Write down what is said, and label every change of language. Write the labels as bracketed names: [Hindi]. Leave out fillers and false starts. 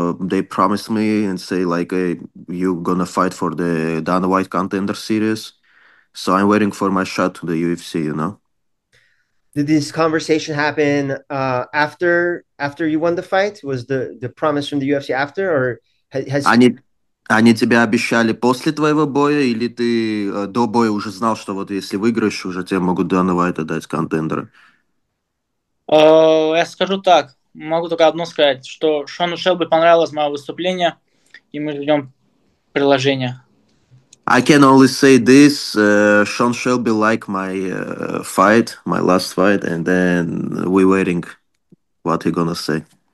[English] They promised me and say like, hey, you're gonna fight for the Dana White Contender Series. So I'm waiting for my shot to the UFC, you know. Did this conversation happen after you won the fight? Was the promise from the UFC after, or has [Russian] I Они тебе обещали после твоего боя, или ты до боя уже знал, что вот если выиграешь, уже тебе могут Дана Уайта дать контендера? Я скажу так, могу только одно сказать, что Шону Шелби понравилось мое выступление, и мы ждем приложения. [English] I can only say this, Sean Shelby liked my fight, my last fight, and then we're waiting what he's gonna say.